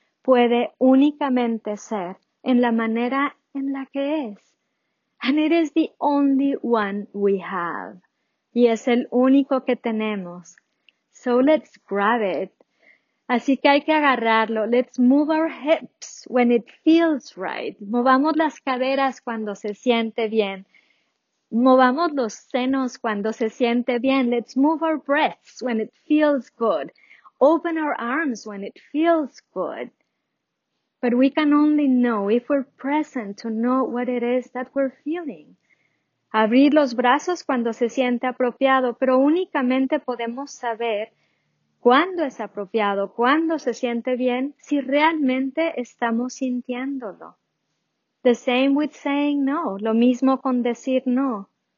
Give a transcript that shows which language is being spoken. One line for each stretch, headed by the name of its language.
Spanish: Puede únicamente ser en la manera en la que es.
English: And it is the only one we have.
Spanish: Y es el único que tenemos.
English: So let's grab it.
Spanish: Así que hay que agarrarlo.
English: Let's move our hips when it feels right.
Spanish: Movamos las caderas cuando se siente bien. Movamos los senos cuando se siente bien.
English: Let's move our breaths when it feels good. Open our arms when it feels good. But we can only know if we're present to know what it is that we're feeling.
Spanish: Abrir los brazos cuando se siente apropiado, pero únicamente podemos saber cuándo es apropiado, cuándo se siente bien, si realmente estamos sintiéndolo.
English: The same with saying no,
Spanish: lo mismo con decir no.